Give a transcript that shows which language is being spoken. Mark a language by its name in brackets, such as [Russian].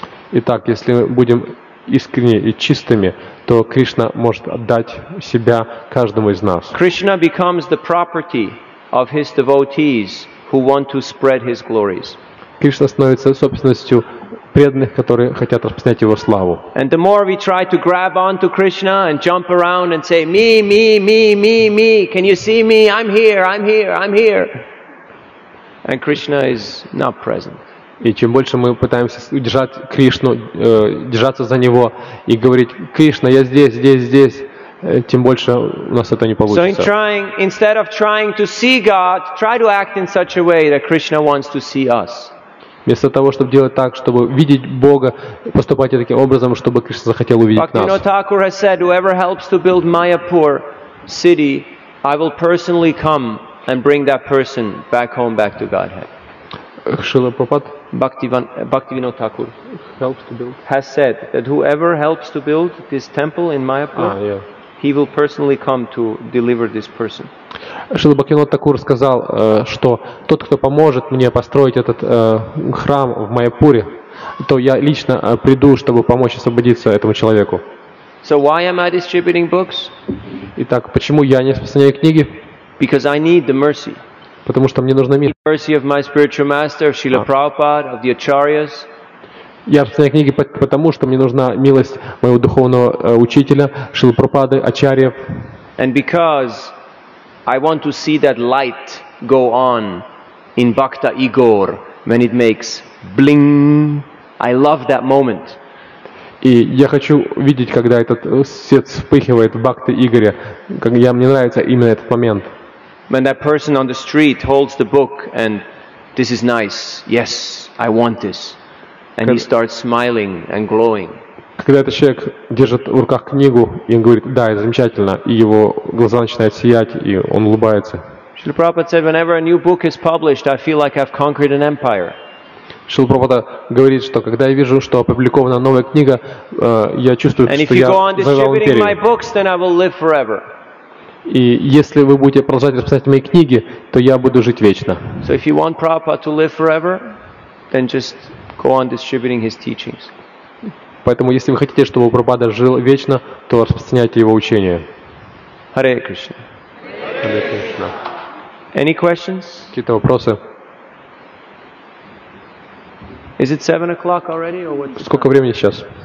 [Russian] Итак, если мы будем искренни и чистыми, то Кришна может отдать себя каждому из нас. [English] Krishna becomes the property of his devotees who want to spread his glories. [Russian] Кришна становится собственностью преданных, которые хотят распространять его славу. [English] And the more we try to grab onto Krishna and jump around and say me, me, me, me, me, can you see me? I'm here, I'm here, I'm here. And Krishna is not present. [Russian] И чем больше мы пытаемся удержать Кришну, держаться за Него и говорить, Кришна, я здесь, здесь, здесь, тем больше у нас это не получится. [English] So instead of trying to see God, try to act in such a way that Krishna wants to see us. [Russian] вместо того, чтобы делать так, чтобы видеть Бога, поступайте таким образом, чтобы Кришна захотел увидеть нас. [English] Бхактивинода Тхакур has said, whoever helps to build Mayapur city, I will personally come and bring that person back home, back to Godhead. [Russian] Шрила Прабхупад [English] Бхактивинода Тхакур has said that whoever helps to build this temple in Mayapur, he will personally come to deliver this person. [Russian] Шрила Бхактивинода Тхакур сказал, что тот, кто поможет мне построить этот храм в Майяпуре, то я лично приду, чтобы помочь освободиться этому человеку. [English] So why am I distributing books? [Russian] Итак, почему я не распространяю книги? [English] Because I need the mercy. [Russian] Потому что мне нужна милость. [English] Mercy of my spiritual master, Srila Prabhupada, of the Acharyas. [Russian] Я распространяю книги потому, что мне нужна милость моего духовного учителя, Шрилы Прабхупады, Ачарьев. [English] And because I want to see that light go on in Bhakta Igor when it makes bling. I love that moment. [Russian] И я хочу видеть, когда этот свет вспыхивает в Бхакте Игоре. Мне нравится именно этот момент. [English] When that person on the street holds the book and this is nice, yes, I want this. And he starts smiling and glowing. [Russian] Когда этот человек держит в руках книгу, и он говорит, да, это замечательно, и его глаза начинают сиять, и он улыбается. [English] Шрила Прабхупада said, whenever a new book is published, I feel like I've conquered an empire. [Russian] Шрила Прабхупада говорит, что когда я вижу, что опубликована новая книга, я чувствую, что я завоевал империю. И если вы будете продолжать распространять мои книги, то я буду жить вечно. [English] So if you want Prabhupada to live forever, then just go on distributing his teachings. [Russian] Поэтому, если вы хотите, чтобы Прабхупада жил вечно, то распространяйте его учение. [English] Hare Krishna. Hare Krishna. Any questions? [Russian] Какие-то вопросы? [English] Is it 7 o'clock already, or what? [Russian] Сколько времени сейчас?